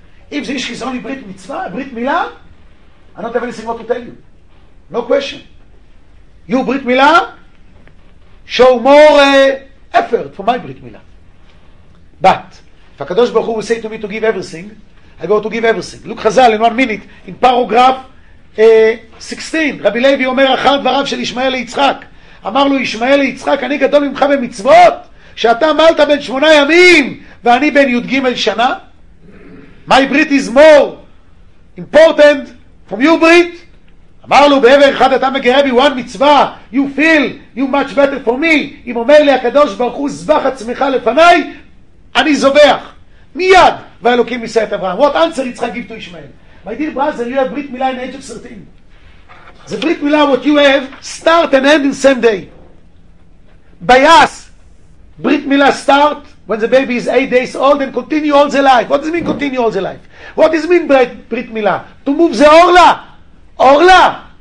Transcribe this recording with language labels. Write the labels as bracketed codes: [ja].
[en] If this is only Brit Mitzvah, Brit Milah, I don't have anything more to tell you. No question. You Brit Milah, show more effort for my Brit Milah. But if HaKadosh Baruch Hu will say to me to give everything, I go to give everything. Look, Chazal, in 1 minute, in paragraph 16, [he] Rabbi Levi אומר, אחר דבריו של ישמעאל ליצחק, אמר לו, ישמעאל ליצחק, אני גדול ממך במצוות, שאתה מלת בין 8 ימים, ואני בין י' ג' שנה. [en] My Brit is more important from your Brit. [he] אמר לו, בעבר אחד אתה מגרה בי, [en] one מצווה, you feel you much better for me. [he] אם אומר לי, הקדוש ברוך הוא, זבח עצמך לפניי, אני זובח. מיד, והאלוקים יישא את אברהם. [en] What answer יצחק give to ישמעאל? My dear brother, you have Brit Milah in age of 13. The Brit Milah, what you have, start and end in same day. By us, Brit Milah start when the baby is 8 days old and continue all the life. What does it mean continue all the life? What does it mean Brit Milah? To move the Orla. Orla.